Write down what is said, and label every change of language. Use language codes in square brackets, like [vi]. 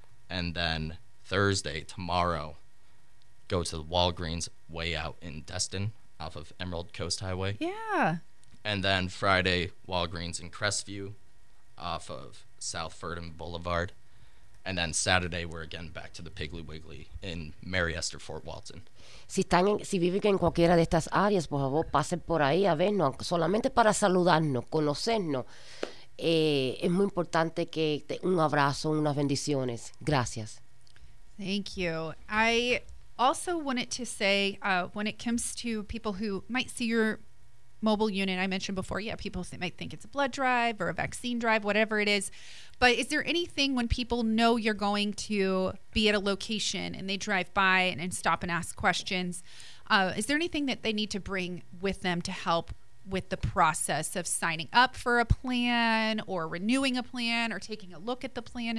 [en] And then Thursday, tomorrow, go to the Walgreens way out in Destin off of Emerald Coast Highway. Yeah. And then Friday, Walgreens in Crestview off of South Ferdinand Boulevard. And then Saturday, we're again back to the Piggly Wiggly in Mary Esther, Fort Walton. [es] Si viven en cualquiera de estas áreas, por favor, pasen por ahí a vernos, solamente para saludarnos, conocernos. Es muy importante que un abrazo, unas bendiciones. Gracias. [en] Thank you. I also wanted to say, when it comes to people who might see your mobile unit, I mentioned before, yeah, people might think it's a blood drive or a vaccine drive, whatever it is. But is there anything when people know you're going to be at a location and they drive by and stop and ask questions, is there anything that they need to bring with them to help with the process of signing up for a plan or renewing a plan or taking a look at the plan?